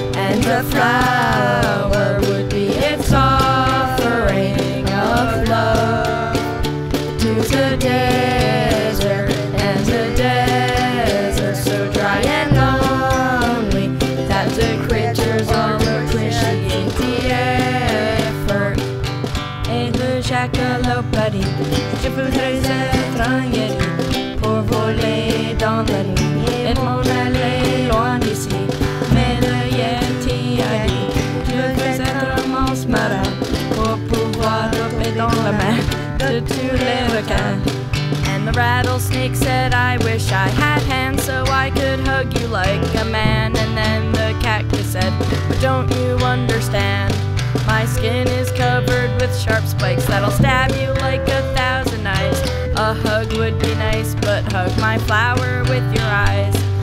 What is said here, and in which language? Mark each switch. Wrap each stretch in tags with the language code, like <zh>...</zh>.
<en>And the flower would be its offering of love to the desert, and the desert so dry and lonely that the creatures all appreciate the effort.</en> <fr>Et le jackalope a dit, je voudrais être un yeti pour voler dans la nuit et m'en aller loin d'ici. Mais le yeti a dit, je voudrais être un monstre marin pour pouvoir rentrer dans la mer de tous les requins.</fr> <en>And the rattlesnake said, I wish I had hands so I could hug you like a man. And then the cactus said, but don't you understand? My skin is covered with sharp spikes that'll stab you like a thousand knives. A hug would be nice, but hug my flower with your eyes.</en>